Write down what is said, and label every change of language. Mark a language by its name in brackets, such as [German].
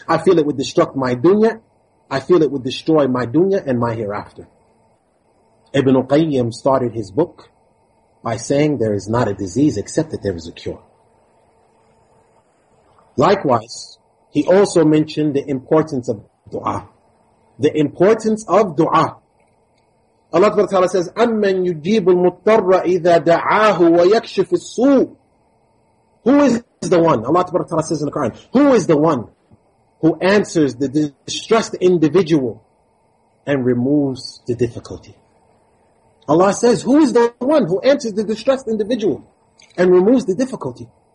[English] I feel it would destruct my dunya. I feel it would destroy my dunya and my hereafter. Ibn Qayyim started his book by saying there is not a disease except that there is a cure. Likewise, he also mentioned the importance of dua. The importance of dua. Allah Ta'ala says, [Arabic] أَمَّنْ يُجِيبُ الْمُضْطَرَّ إِذَا دَعَاهُ وَيَكْشِفُ السُّوءُ. [English] Who is the one? Allah Ta'ala says in the Quran, who is the one who answers the distressed individual and removes the difficulty? Allah says, who is the one who answers the distressed individual and removes the difficulty?